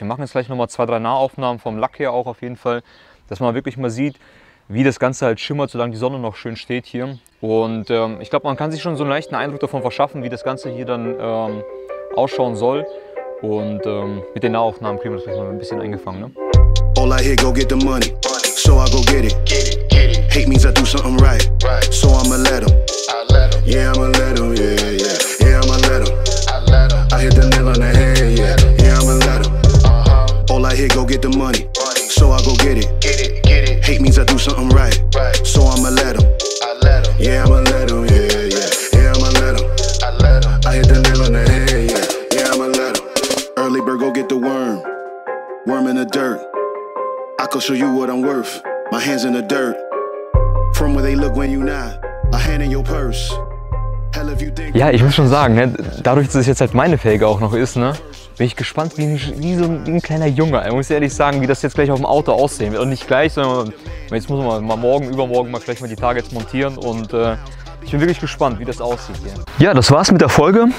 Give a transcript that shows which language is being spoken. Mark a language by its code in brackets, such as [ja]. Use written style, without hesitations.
[de] Wir machen jetzt gleich nochmal zwei, drei Nahaufnahmen vom Lack her auch auf jeden Fall, dass man wirklich mal sieht, wie das Ganze halt schimmert, solange die Sonne noch schön steht hier. Und ich glaube, man kann sich schon so einen leichten Eindruck davon verschaffen, wie das Ganze hier dann ausschauen soll. Und mit den Nahaufnahmen kriegen wir das vielleicht mal ein bisschen eingefangen. Ne? [en] All I hear, go get the money, so I go get it. Hate means I do something right, so I'ma let them. Yeah, I'ma let them, yeah. I hit the nail on the head, yeah, yeah, I'ma let him. All I hear, go get the money, so I go get it. Hate means I do something right, so I'ma let him. Yeah, I'ma let him, yeah, yeah, yeah, I'ma let him. I hit the nail on the head, yeah, yeah, I'ma let him. Early bird, go get the worm, worm in the dirt. I could show you what I'm worth, my hands in the dirt. From where they look when you not, a hand in your purse. [de] Ja, ich muss schon sagen, ne, dadurch, dass es jetzt halt meine Felge auch noch ist, ne, bin ich gespannt wie ein kleiner Junge. Ich muss ehrlich sagen, wie das jetzt gleich auf dem Auto aussehen wird. Und nicht gleich, sondern jetzt muss man mal morgen, übermorgen mal gleich mal die Targets montieren. Und ich bin wirklich gespannt, wie das aussieht hier. Ja, das war's mit der Folge.